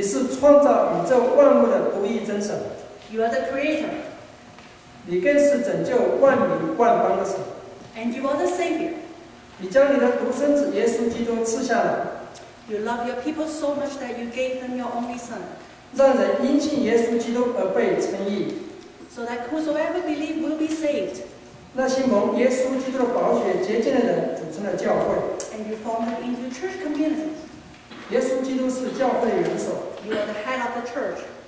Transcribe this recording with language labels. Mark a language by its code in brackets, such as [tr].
[zh] 你是创造宇宙万物的独一真神。 [en] You are the creator. [zh] 你更是拯救万民万邦的神。 [en] And you are the savior. [zh] 你将你的独生子耶稣基督赐下来。 [en] You love your people so much that you gave them your only son. [zh] 让人因信耶稣基督而被称义。 [en] So that whosoever believe will be saved. [zh] 那些蒙耶稣基督的宝血洁净的人组成了教会。 [en] And you form them into church community. [zh] 耶稣基督是教会的元首。 [en] You are the head of the church.